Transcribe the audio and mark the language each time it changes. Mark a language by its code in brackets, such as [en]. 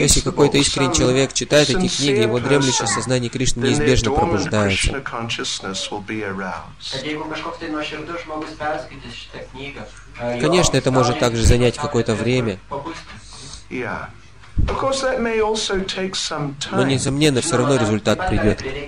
[ru] если какой-то искренний человек читает эти книги, его дремлющее сознание Кришны неизбежно пробуждается. [en] Then a dormant Krishna consciousness will be aroused. [ru] Конечно, это может также занять какое-то время. [en] Yeah. Of course, that may also take some time. [ru] Но несомненно, все равно результат придет.